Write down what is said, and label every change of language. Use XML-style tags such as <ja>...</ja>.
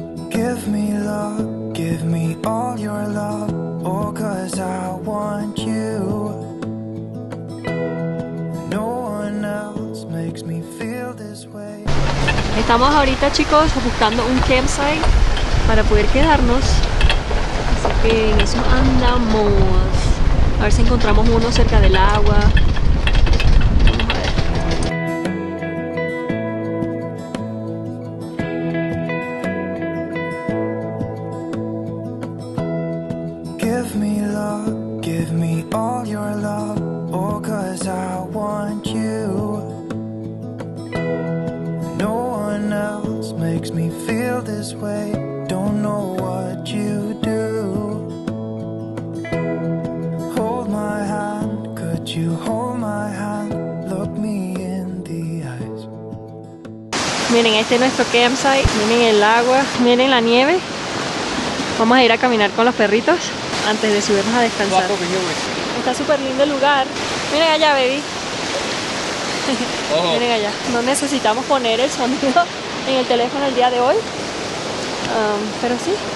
<en>Give me love, give me all your love. Oh, cause I want you. No one else makes me feel this way.</en> <es>Estamos ahorita, chicos, buscando un campsite para poder quedarnos. Así que en eso andamos. A ver si encontramos uno cerca del agua. Vamos a ver.</es> <en>give me love, give me all your love, oh, 'cause I want you. No one else makes me feel this way, don't know what you do. Hold my hand, could you hold my hand, look me in the eyes.</en> <es>Miren, este es nuestro campsite, miren el agua, miren la nieve. Vamos a ir a caminar con los perritos antes de subirnos a descansar. Está súper lindo el lugar. Miren allá, baby. Ojo. Miren allá. No necesitamos poner el sonido en el teléfono el día de hoy. Pero sí.</es>